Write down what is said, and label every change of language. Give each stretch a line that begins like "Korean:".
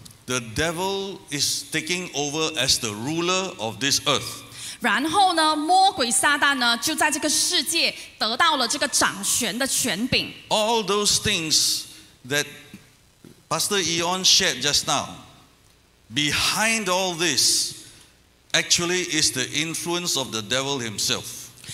English: The devil is taking over as the ruler of this earth.
Chinese: 然后呢，魔鬼撒旦呢，就在这个世界得到了这个掌权的权柄。
English: All those things that Pastor Eon shared just now, behind all this, actually is the influence of the devil himself.